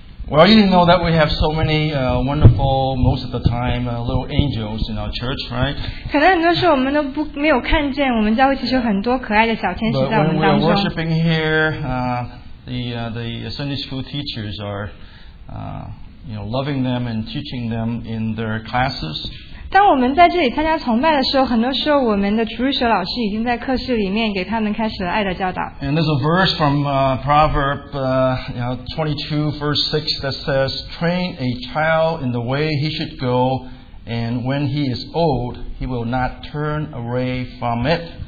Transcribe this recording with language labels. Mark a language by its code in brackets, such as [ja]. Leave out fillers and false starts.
[en] Well, you didn't know that we have so many wonderful, most of the time, little angels in our church, right? [zh] 可能很多时候我们都没有看见，我们教会其实有很多可爱的小天使在我们当中。 [en] But when we are worshiping here, the Sunday school teachers are, loving them and teaching them in their classes. [zh] 当我们在这里参加崇拜的时候，很多时候我们的主日学老师已经在课室里面给他们开始了爱的教导。And [en] there's a verse from Proverbs 22:6 that says, "Train a child in the way he should go, and when he is old, he will not turn away from it."